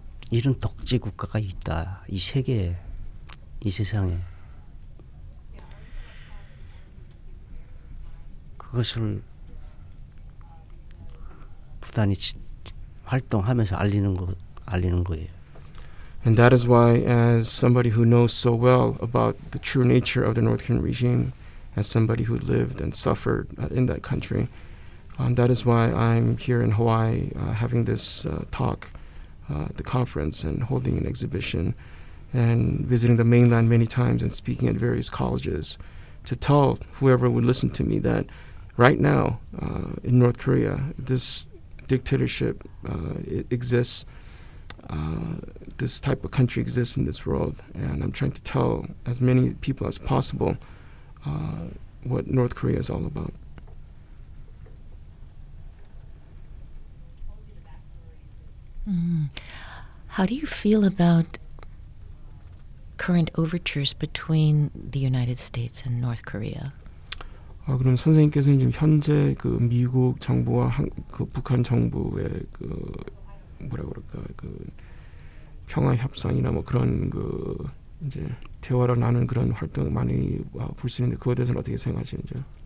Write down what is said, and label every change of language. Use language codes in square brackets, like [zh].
[ko] 이런 독재 국가가 있다 이 세계에 이 세상에 그것을 부단히 활동하면서 알리는 거예요. [en] And that is why, as somebody who knows so well about the true nature of the North Korean regime, as somebody who lived and suffered in that country, that is why I'm here in Hawaii having this talk, the conference, and holding an exhibition, and visiting the mainland many times and speaking at various colleges to tell whoever would listen to me that right now in North Korea, this dictatorship exists. This type of country exists in this world, and I'm trying to tell as many people as possible what North Korea is all about. [ko] 음, [en] how do you feel about current overtures between the United States and North Korea? [ko] 그럼 선생님께서는 지금 현재 그 미국 정부와 그 북한 정부의 그 뭐라고 그럴까 그 평화 협상이나 뭐 그런 그 이제 대화를 나눈 그런 활동 많이 볼 수 있는데 그거에 대해서 어떻게 생각하시는지요?